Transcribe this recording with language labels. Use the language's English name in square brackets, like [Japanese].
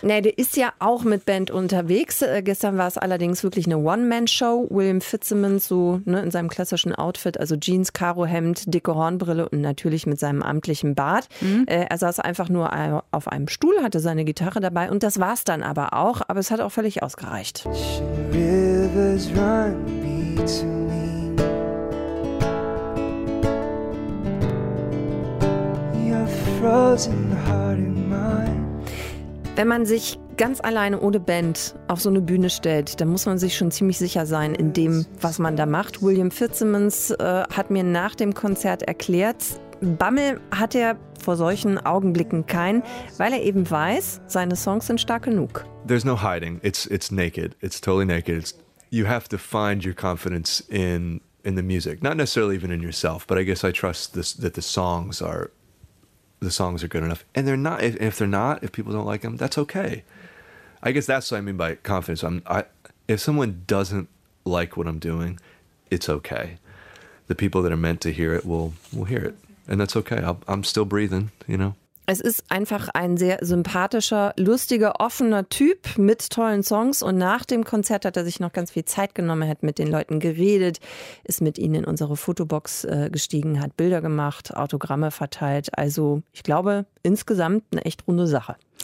[German] Nee, der ist ja auch mit Band unterwegs. Gestern war es allerdings wirklich eine One-Man-Show. William Fitzsimmons so in seinem klassischen Outfit, also Jeans, Karohemd, dicke Hornbrille und natürlich mit seinem amtlichen Bart. Mhm. Er saß einfach nur auf einem Stuhl, hatte seine Gitarre dabei und das war es dann aber auch. Aber es hat auch völlig ausgereicht. [English] Rivers run between your frozen heart and mine. [German] Wenn man sich ganz alleine ohne Band auf so eine Bühne stellt, dann muss man sich schon ziemlich sicher sein in dem, was man da macht. William Fitzsimmons hat mir nach dem Konzert erklärt, Bammel hat er vor solchen Augenblicken keinen, weil er eben weiß, seine Songs sind stark genug. [English] There's no hiding. It's naked. It's totally naked. It's, you have to find your confidence in the music. Not necessarily even in yourself, but I guess I trust this, that the songs are good enough. And they're not, if they're not, if people don't like them, that's okay. I guess that's what I mean by confidence. If someone doesn't like what I'm doing, it's okay. The people that are meant to hear it will hear it. And that's okay. I'm still breathing, you know? [German] Es ist einfach ein sehr sympathischer, lustiger, offener Typ mit tollen Songs. Und nach dem Konzert hat er sich noch ganz viel Zeit genommen, hat mit den Leuten geredet, ist mit ihnen in unsere Fotobox gestiegen, hat Bilder gemacht, Autogramme verteilt. Also ich glaube, insgesamt eine echt runde Sache.